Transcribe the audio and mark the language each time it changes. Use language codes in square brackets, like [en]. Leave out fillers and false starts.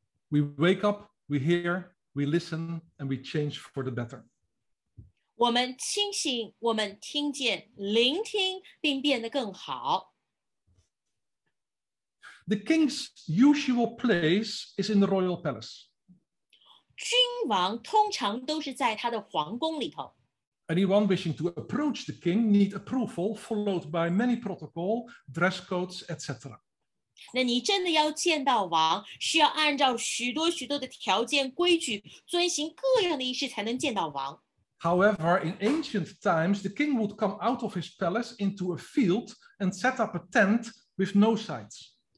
[en] We wake up, we hear, we listen, and we change for the better. [zh] 我们清醒, 我们听见, 聆听, 并变得更好。 [en] The king's usual place is in the royal palace. [zh] 君王通常都是在他的皇宫里头。 [en] Anyone wishing to approach the king need approval followed by many protocol, dress codes, etc. [zh] 那你真的要见到王，需要按照许多许多的条件规矩，遵循各样的仪式才能见到王。 [en] However, in ancient times, the king would come out of his palace into a field and set up a tent with no sides.